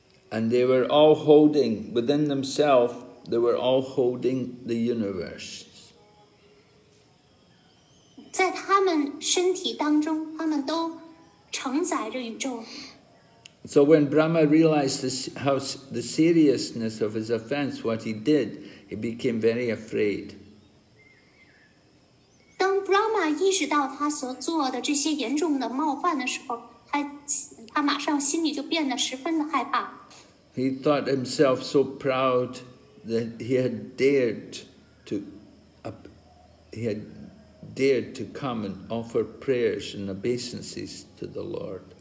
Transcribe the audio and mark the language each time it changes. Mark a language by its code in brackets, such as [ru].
[en] And they were all holding within themselves, they were all holding the universe. [zh] 在他们身体当中，他们都承载着宇宙。 [en] So when Brahma realized the seriousness of his offense, what he did, he became very afraid. [zh] 当 Brahma 意识到他所做的这些严重的冒犯的时候，他马上心里就变得十分的害怕。 [en] He thought himself so proud that he had dared to come and offer prayers and obeisances to the Lord.